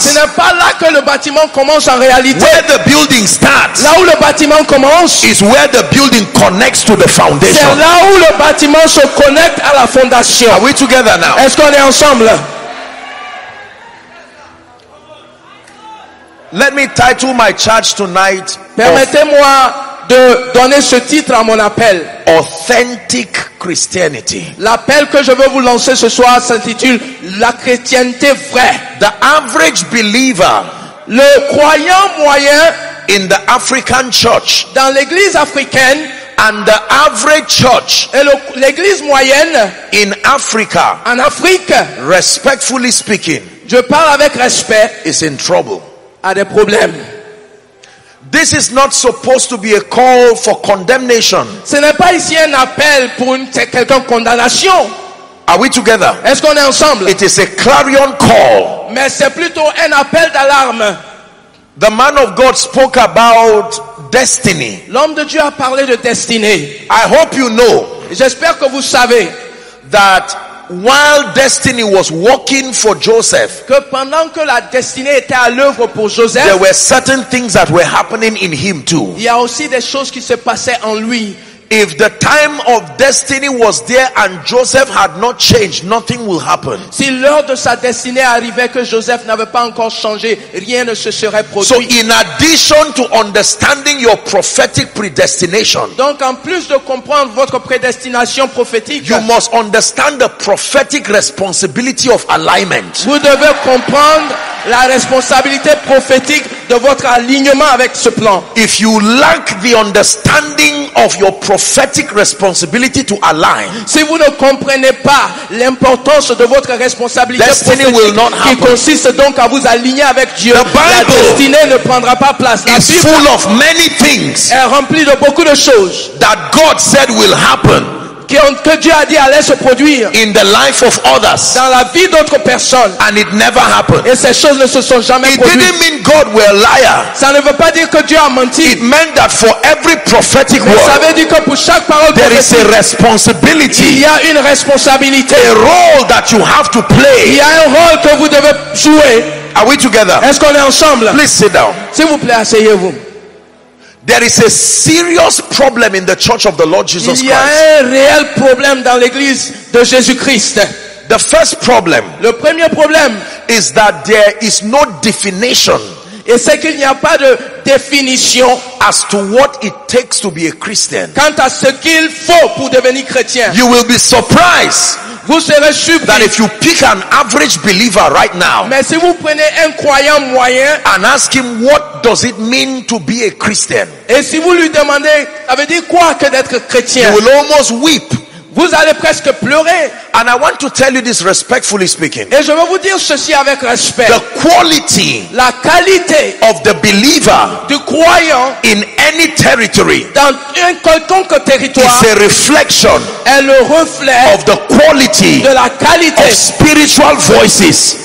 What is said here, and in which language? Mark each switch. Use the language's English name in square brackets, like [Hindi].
[French] Ce n'est pas là que le bâtiment commence en réalité. [English] Where the building starts, [French] là où le bâtiment commence, [English] is where the building connects to the foundation. [French] C'est là où le bâtiment se connecte à la fondation. [English] Are we together now? [French] Est-ce qu'on est ensemble? [English] Let me title my charge tonight. [French] Permettez-moi de donner ce titre à mon appel. [English] Authentic Christianity. [French] L'appel que je veux vous lancer ce soir s'intitule La chrétienté vraie. [English] The average believer. [French] Le croyant moyen. [English] In the African church. [French] Dans l'église africaine. [English] And the average church. [French] Et l'église moyenne. [English] In Africa. [French] En Afrique. [English] Respectfully speaking. [French] Je parle avec respect. [English] Is in trouble. [French] À des problèmes. [English] This is not supposed to be a call for condemnation. [French] Ce n'est pas ici un appel pour une quelqu'un condamnation. [English] Are we together? [French] Est-ce qu'on est ensemble? [English] It is a clarion call. [French] Mais c'est plutôt un appel d'alarme. [English] The man of God spoke about destiny. [French] L'homme de Dieu a parlé de destinée. [English] I hope you know. [French] J'espère que vous savez [English] that while destiny was working for Joseph, [French] que pendant que la destinée était à l'œuvre pour Joseph, [English] there were certain things that were happening in him too. [French] Il y a aussi des choses qui se passaient en lui. [English] If the time of destiny was there and Joseph had not changed, nothing will happen. [French] Si l'heure de sa destinée arrivait que Joseph n'avait pas encore changé, rien ne se serait produit. [English] So in addition to understanding your prophetic predestination, [French] donc en plus de comprendre votre prédestination prophétique, [English] you must understand the prophetic responsibility of alignment. [French] Vous devez comprendre la responsabilité prophétique de votre alignement avec ce plan. [English] If you lack the understanding of your prophetic responsibility to align. [French] Si vous ne comprenez pas l'importance de votre responsabilité [English] destiny [French] prophétique [English] will not happen. [French] Qui consiste donc à vous aligner avec Dieu, [English] the Bible [French] la destinée ne prendra pas place. La Bible [English] full of many things [French] est remplie de beaucoup de choses [English] that God said will happen. [French] Que Dieu a dit allait se produire [English] in the life of others, [French] dans la vie d'autres personnes, [English] and it never happened. [French] Et ces choses ne se sont jamais [English] it [French] produites. [English] Didn't mean God were a liar. [French] Ça ne veut pas dire que Dieu a menti. [English] It meant that for every prophetic [French] mais [English] word, [French] ça veut dire que pour chaque parole [English] there is a responsibility. [French] Il y a une responsabilité. [English] A role that you have to play. [French] Il y a un rôle que vous devez jouer. [English] Are we together? [French] Est-ce qu'on est ensemble? [English] Please sit down. [French] S'il vous plaît, asseyez-vous. [English] There is a serious problem in the church of the Lord Jesus Christ. [French] Il y a un réel problème dans l'église de Jésus-Christ. [English] The first problem. [French] Le premier problème [English] is that there is no definition. [French] Et c'est qu'il n'y a pas de définition [English] as to what it takes to be a Christian. [French] Quant à ce qu'il faut pour devenir chrétien, [English] you will be surprised. [French] Vous serez surpris [English] that if you pick an average believer right now, [French] mais si vous prenez un croyant moyen, [English] and ask him what does it mean to be a Christian, [French] et si vous lui demandez, ça veut dire quoi que d'être chrétien, [English] you will almost weep. [French] Vous allez presque pleurer. [English] And I want to tell you this respectfully speaking. [French] Et je veux vous dire ceci avec respect. [English] The quality, [French] la qualité [English] of the believer, [French] du croyant, [English] in any territory, [French] dans un quelconque territoire, [English] is a reflection, [French] est le reflet [English] of the quality, [French] de la qualité [English] of spiritual voices,